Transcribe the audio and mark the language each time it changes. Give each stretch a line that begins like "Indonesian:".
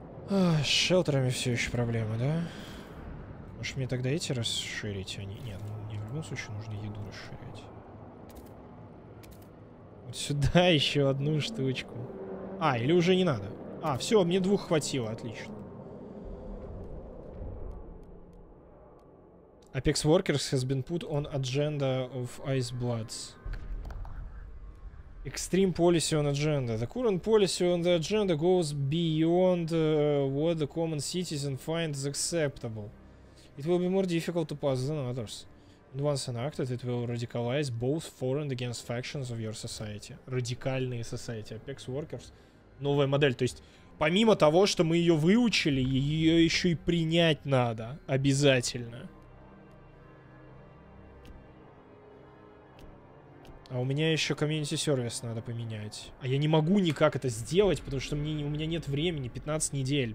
Russian: А, с шелтерами все еще проблемы, да? Может мне тогда эти расширить? Они... Нет, ну, мне в любом случае нужно еду расширять. Вот сюда еще одну штучку. А, или уже не надо? А, все, мне двух хватило, отлично.
English: Apex Workers has been put on agenda of Ice Bloods. Extreme policy on agenda. The current policy on the agenda goes beyond what the common citizen finds acceptable. It will be more difficult to pass than others. And once enacted, it will radicalize both for and against factions of your society.
Russian: Радикальные
English: society.
Russian: Apex Workers. Новая модель. То есть, помимо того, что мы ее выучили, ее еще и принять надо. Обязательно. А у меня еще комьюнити сервис надо поменять. А я не могу никак это сделать, потому что мне, у меня нет времени. 15 недель.